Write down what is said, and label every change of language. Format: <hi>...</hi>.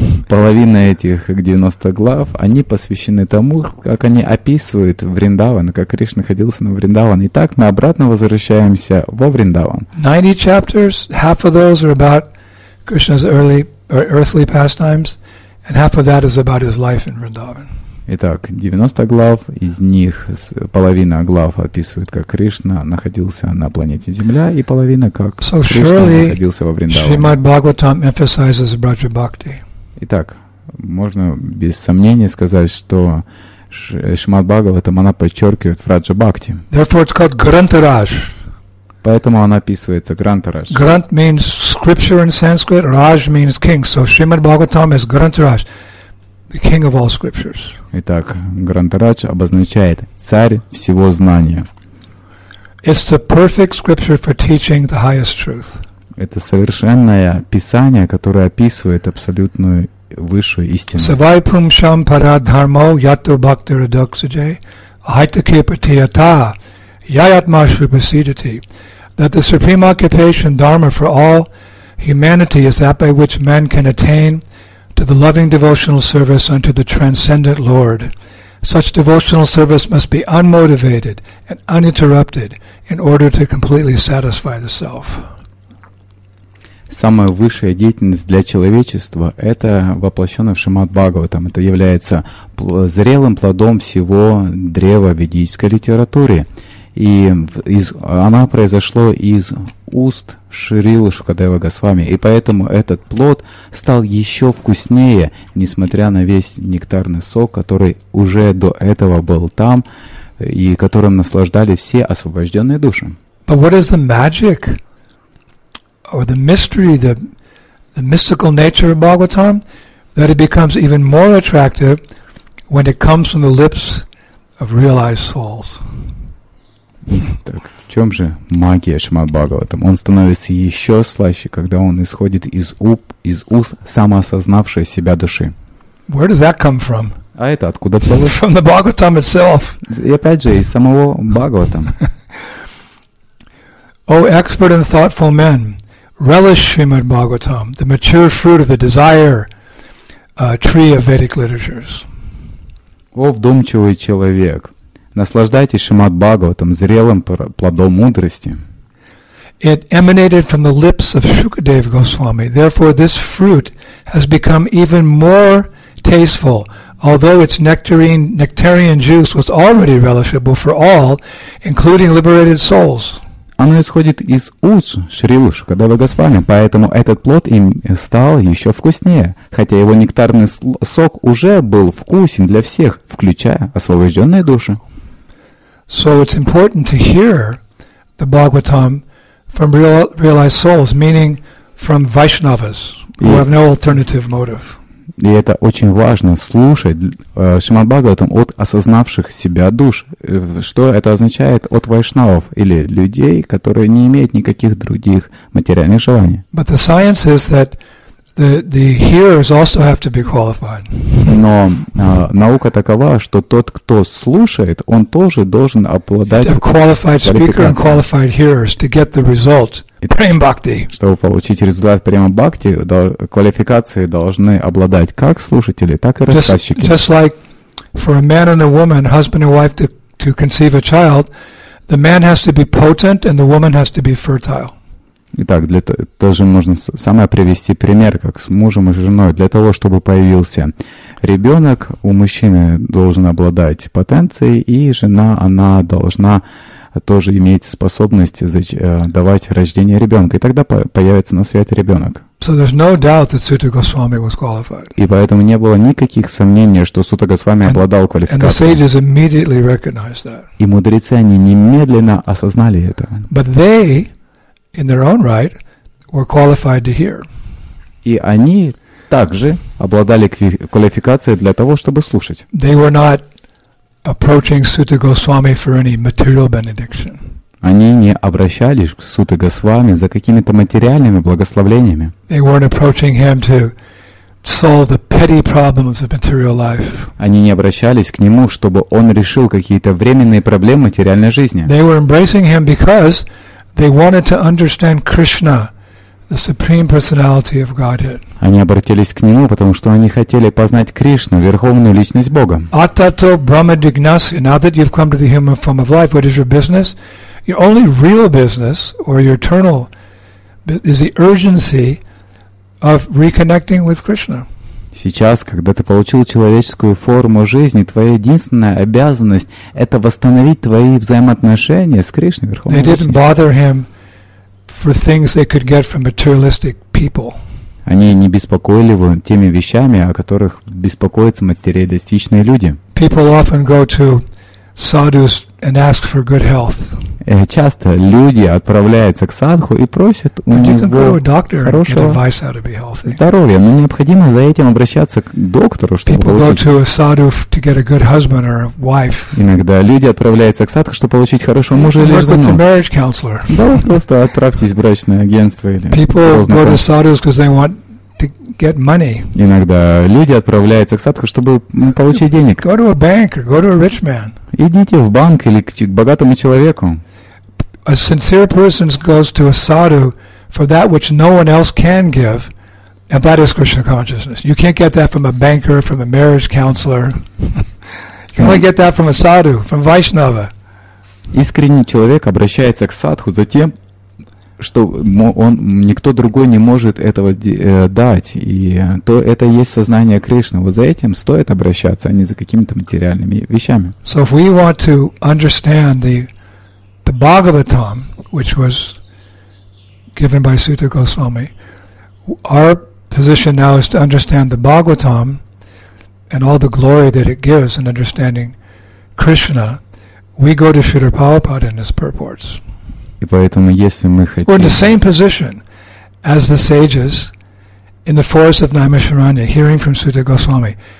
<ru>Половина этих 90 глав, они посвящены тому, как они описывают Вриндаван, как Кришна находился на Вриндаване. Итак, мы обратно возвращаемся во Вриндаван.</ru> <en>90 chapters, half of those are about Krishna's early or earthly pastimes, and half of that is about his life in Vrindavan.</en> <ru>Итак, 90 глав, из них половина глав описывает, как Кришна находился на планете Земля, и половина, как</ru> <en>so</en> <ru>Кришна находился во Вриндаване.</ru> <en>Shrimad Bhagavatam emphasizes Braja Bhakti.</en> <ru>Итак, можно без сомнения сказать, что Шримад Бхагаватам она подчеркивает Враджа Бхакти.</ru> <en>Therefore it's called Грантараж.</en> <ru>Поэтому она описывается Грантараж.</ru> <en>Грант means scripture in Sanskrit, Раж means king. So Шримад Бхагаватам is Грантараж, the king of all scriptures.</en> <ru>Итак, Грантараж обозначает царь всего знания.</ru> <en>It's the perfect scripture for teaching the highest truth.</en> <ru>Это совершенное писание, которое описывает абсолютную высшую истину.</ru> <sa>Савайпум шам пара дхармо ято бхактира доксаже айтаке патията яятмашу пасидати.</sa> <en>That the supreme occupation dharma for all humanity is that by which man can attain to the loving devotional service unto the transcendent Lord. Such devotional service must be unmotivated and uninterrupted in order to completely satisfy the self.</en> <ru>Самая высшая деятельность для человечества — это воплощенное в Шримад Бхагаватам. Это является зрелым плодом всего древа ведической литературы. И из, она произошла из уст Шрилы Шукадева Госвами. И поэтому этот плод стал еще вкуснее, несмотря на весь нектарный сок, который уже до этого был там, и которым наслаждались все освобожденные души.</ru> <en>But what is the magic or the mystery, the mystical nature of Bhagavatam, that it becomes even more attractive when it comes from the lips of realized souls?</en> <ru>Так, в чем же магия Шримад-Бхагаватам? Он становится еще слаще, когда он исходит из уст самоосознавшей себя души.</ru> <en>Where does that come from?</en> <ru>А это откуда взялось?</ru> <en>From the Bhagavatam itself.</en> <ru>И опять же, из самого Бхагаватам.</ru> <en>O expert and thoughtful men, relish Śrīmad-Bhāgavatam, the mature fruit of the desire tree of Vedic literatures.</en> <ru>О вдумчивый человек, наслаждайтесь Шримад-Бхагаватам, зрелым плодом мудрости.</ru> <en>It emanated from the lips of Shukadeva Goswami. Therefore, this fruit has become even more tasteful. Although its nectarian juice was already relishable for all, including liberated souls.</en> <ru>Оно исходит из уст Шрилы Шукадевы Госвами, поэтому этот плод им стал еще вкуснее, хотя его нектарный сок уже был вкусен для всех, включая освобожденные души.</ru> <en>So it's important to hear the Bhagavatam from realized souls, meaning from Vaishnavas, who have no alternative motive.</en> <ru>И это очень важно слушать Шримад-Бхагаватам от осознавших себя душ. Что это означает от вайшнавов или людей, которые не имеют никаких других материальных желаний.</ru> <en>But the science is that the hearers also have to be qualified.</en> <ru>Но наука такова, что тот, кто слушает, он тоже должен обладать квалификацией. Чтобы получить результат према бхакти, квалификации должны обладать как слушатели, так и рассказчики.</ru> <en>Just like for a man and a woman, husband and wife to conceive a child, the man has to be potent and the woman has to be fertile.</en> <ru>Итак, для тоже нужно самое привести пример, как с мужем и женой. Для того, чтобы появился ребенок, у мужчины должен обладать потенцией, и жена, она должна тоже иметь способность давать рождение ребенка. И тогда появится на свет ребенок.</ru> <en>So there's no doubt that Sutta Goswami was qualified.</en> <ru>И поэтому не было никаких сомнений, что Сутта Госвами обладал квалификацией.</ru> <en>And the sages immediately recognized that.</en> <ru>И мудрецы, они немедленно осознали это.</ru> <en>But they, in their own right, were qualified to hear.</en> <ru>И они также обладали квалификацией для того, чтобы слушать.</ru> <en>They were not approaching Sutta Goswami for any material benediction.</en> <ru>Они не обращались к Сутта Госвами за какими-то материальными благословениями.</ru> <en>They weren't approaching him to solve the petty problems of material life.</en> <ru>Они не обращались к нему, чтобы он решил какие-то временные проблемы материальной жизни.</ru> <en>They were embracing him because they wanted to understand Krishna, the supreme personality of Godhead.</en> <ru>Они обратились к нему, потому что они хотели познать Кришну, верховную личность Бога.</ru> <sa>Atato Brahma Jignasya.</sa> <en>Now that you've come to the human form of life, what is your business? Your only real business or your eternal is the urgency of reconnecting with Krishna.</en> <ru>Сейчас, когда ты получил человеческую форму жизни, твоя единственная обязанность — это восстановить твои взаимоотношения с Кришной, Верховной Личностью.</ru> <en>They didn't bother him for things they could get from materialistic people.</en> <ru>Они не беспокоили его теми вещами, о которых беспокоятся материалистичные люди.</ru> <en>People often go to sadhus and ask for good health.</en> <ru>Часто люди отправляются к садху и просят у него хорошего здоровья, но необходимо за этим обращаться к доктору, чтобы получить. Иногда люди отправляются к садху, чтобы получить хорошего мужа или жену. Да, просто отправьтесь в брачное агентство или познакомьтесь. Иногда люди отправляются к садху, чтобы получить денег.</ru> <en>Go to a bank or go to a rich man.</en> <ru>Идите в банк или к богатому человеку.</ru> <en>A sincere person goes to a sadhu for that which no one else can give, and that is Krishna consciousness. You can't get that from a banker, from a marriage counselor. You can only get that from a sadhu, from Vaishnava.</en> <ru>Искренний человек обращается к садху за тем, что он, никто другой не может этого дать, и то это есть сознание Кришны. Вот за этим стоит обращаться, а не за какими-то материальными вещами.</ru> <en>So if we want to understand the The Bhagavatam, which was given by Sutta Goswami, our position now is to understand the Bhagavatam and all the glory that it gives in understanding Krishna. We go to Śrīla Prabhupāda in his purports. We're in the same position as the sages in the forest of Naimisharanya, hearing from Sutta Goswami.</en>